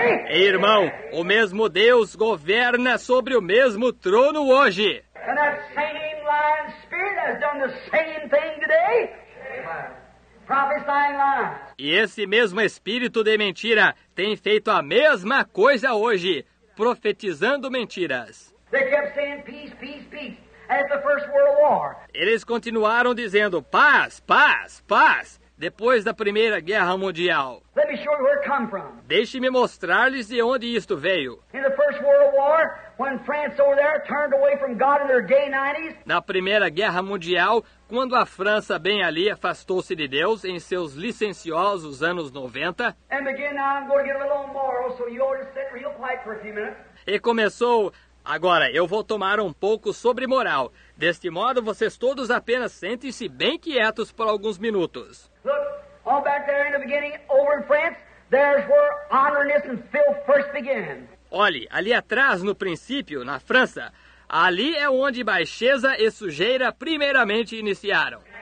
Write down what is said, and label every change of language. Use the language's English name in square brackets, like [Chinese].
[Portuguese] E irmão, o mesmo Deus governa sobre o mesmo trono hoje. [English] And that same lying spirit has done the same thing today. Prophesying lies. [Portuguese] E esse mesmo espírito de mentira tem feito a mesma coisa hoje, profetizando mentiras. [English] They kept saying peace, peace, peace, as the First World War. [Portuguese] Eles continuaram dizendo paz, paz, paz, depois da Primeira Guerra Mundial. [English] Let me show you where it come from. [Portuguese] Deixe-me mostrar-lhes de onde isto veio. [English] In the First World War, when France over there turned away from God in their gay 90s. [Portuguese] Na Primeira Guerra Mundial, quando a França bem ali afastou-se de Deus em seus licenciosos anos 90. [English] And again, now I'm going to get a little on borrow, so you ought to sit real quiet for a few minutes. [Portuguese] E começou, agora eu vou tomar um pouco sobre moral. Deste modo, vocês todos apenas sentem-se bem quietos por alguns minutos. [English] Look, all back there in the beginning, over in France, there's where honorness and filth first began. [Portuguese] Olhe, ali atrás, no princípio, na França, ali é onde baixeza e sujeira primeiramente iniciaram.